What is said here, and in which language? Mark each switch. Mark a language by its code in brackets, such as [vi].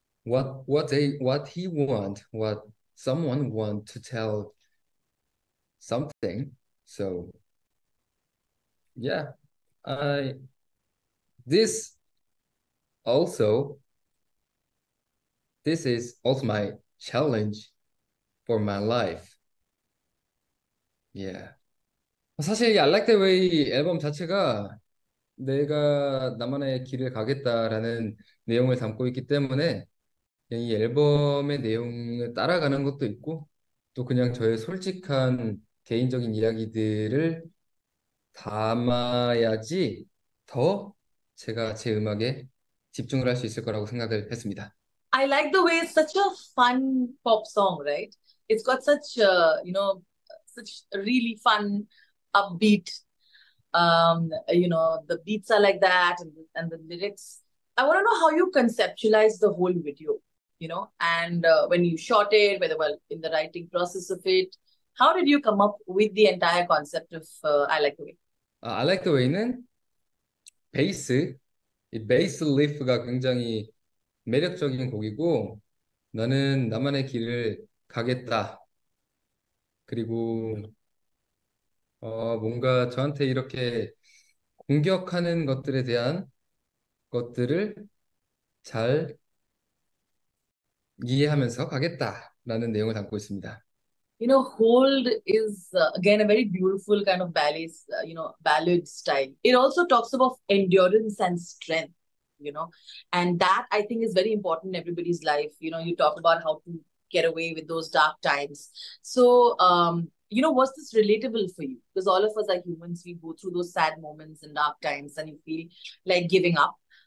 [en] What someone want to tell something. So yeah, this is also my challenge for my life. Yeah. [ko] 사실 I Like That Way 앨범 자체가 내가 나만의 길을 가겠다라는 내용을 담고 있기 때문에 이 앨범의 내용을 따라가는 것도 있고, 또 그냥 저의 솔직한 개인적인 이야기들을 담아야지 더 제가 제 음악에 집중을 할 수 있을 거라고 생각을 했습니다. [en] I like the way it's such a fun pop song, right? It's got such a, you know, such really fun upbeat. You know, the beats are like that, and the lyrics, I want to know how you conceptualized the whole video, you know, and when you shot it, whether well in the writing process of it, how did you come up with the entire concept of I Like the Way? [ko] I Like the Way는 베이스, 이 베이스 리프가 굉장히 매력적인 곡이고, 나는 나만의 길을 가겠다. 그리고 뭔가 저한테 이렇게 공격하는 것들에 대한 것들을 잘 이해하면서 가겠다라는 내용을 담고 있습니다. [en] You know, Hold is again a very beautiful kind of ballet, you know, ballad style. It also talks about endurance and strength, you know, and that I think is very important in everybody's life. You know, you talked about how to get away with those dark times. So, you know, was this relatable for you? Because all of us are humans, we go through those sad moments and dark times and you feel like giving up.